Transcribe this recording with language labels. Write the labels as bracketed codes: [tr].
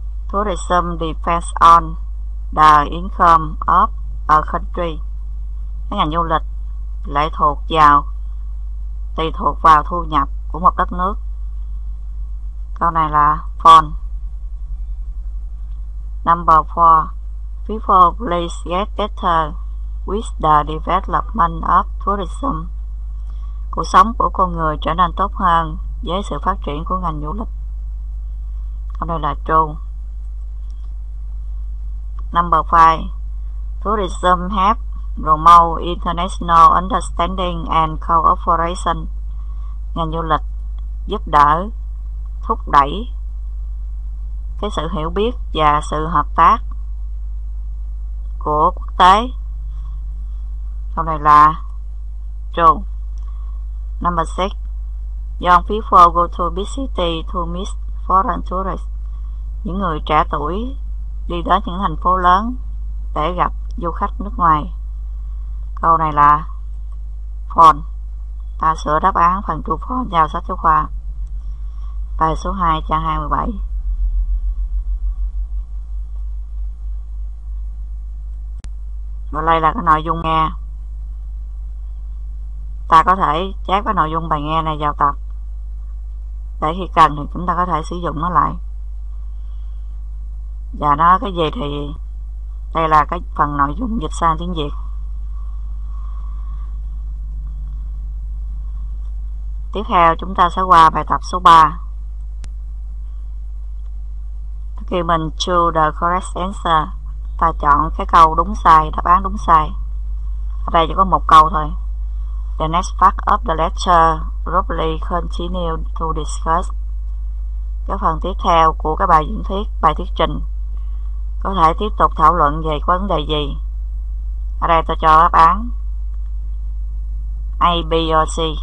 [en] Tourism depends on the income of a country. [vi] Cái ngành du lịch lại thuộc vào tùy thuộc vào thu nhập của một đất nước. Câu này là false. [en] Number 4. People please get better with the development of tourism. [vi] Cuộc sống của con người trở nên tốt hơn với sự phát triển của ngành du lịch. Câu này là true. [en] Number 5. Tourism helps promote international understanding and cooperation. [vi] Ngành du lịch giúp đỡ, thúc đẩy cái sự hiểu biết và sự hợp tác của quốc tế. Câu này là true. [en] Number 6. Young people go to big city to meet foreign tourists. [vi] Những người trẻ tuổi đi đến những thành phố lớn để gặp du khách nước ngoài. Câu này là false. Ta sửa đáp án phần true false vào sách giáo khoa. Bài số 2, trang 27. Và đây là cái nội dung nghe. Ta có thể chép cái nội dung bài nghe này vào tập để khi cần thì chúng ta có thể sử dụng nó lại. Và nó cái gì thì đây là cái phần nội dung dịch sang tiếng Việt. Tiếp theo chúng ta sẽ qua bài tập số 3. Khi mình [en] choose the correct answer, [vi] ta chọn cái câu đúng sai, đáp án đúng sai. Ở đây chỉ có một câu thôi. [en] The next part of the lecture probably continue to discuss. [vi] Cái phần tiếp theo của cái bài diễn thuyết, bài thuyết trình có thể tiếp tục thảo luận về cái vấn đề gì. Ở đây tôi cho đáp án A, B, or C.